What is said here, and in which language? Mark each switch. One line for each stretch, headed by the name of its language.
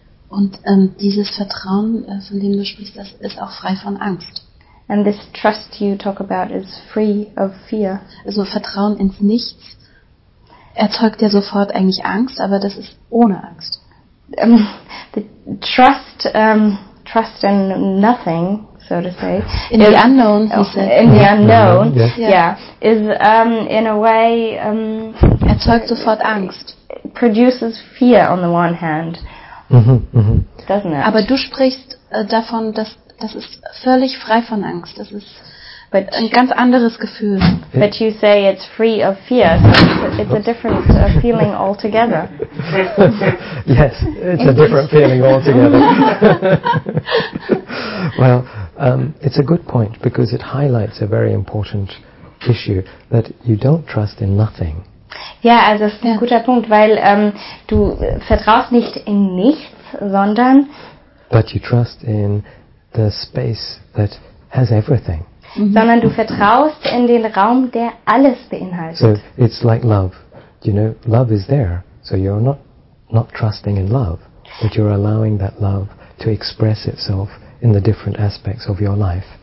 German: Und dieses Vertrauen, von dem du sprichst, das ist auch frei von Angst.
English: And this trust you talk about is free of fear.
German: Also Vertrauen ins Nichts erzeugt ja sofort eigentlich Angst, aber das ist ohne Angst.
English: The trust in nothing, so to say. In the unknown, he said. In the unknown, yeah. Is in a way...
German: erzeugt sofort Angst.
English: Produces fear on the one hand. Mm-hmm, mm-hmm.
German: Aber du sprichst davon, dass das ist völlig frei von Angst. Das ist ein ganz anderes Gefühl.
English: But you say it's free of fear. So it's a different feeling altogether. Yes, it's a different feeling altogether. Well, it's a good point because it highlights a very important issue that you don't trust in nothing.
German: Ja, also das ist ein guter Punkt, weil du vertraust nicht in nichts, sondern
English: but you trust in the space that has everything. Mm-hmm.
German: Sondern du vertraust in den Raum, der alles beinhaltet.
English: So it's like love. You know, love is there. So you're not trusting in love, but you're allowing that love to express itself in the different aspects of your life.